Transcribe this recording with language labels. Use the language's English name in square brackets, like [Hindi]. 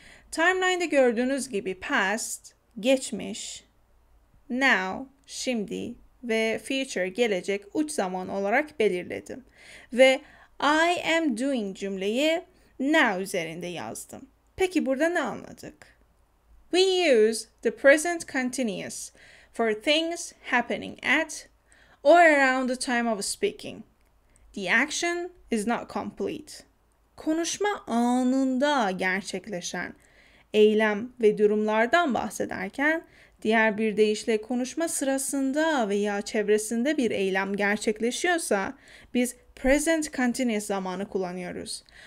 [Turkish] Timeline'de gördüğünüz gibi past, geçmiş, now, şimdi ve future, gelecek, uç zaman olarak belirledim. Ve [English] I am doing [Turkish] cümleyi now üzerinde yazdım. Peki burada ne anladık? [English] We use the present continuous for things happening at or around the time of speaking. The action is not complete. [Turkish] Konuşma anında gerçekleşen eylem ve durumlardan bahsederken, diğer bir deyişle konuşma sırasında veya çevresinde bir eylem gerçekleşiyorsa biz present continuous zamanı kullanıyoruz.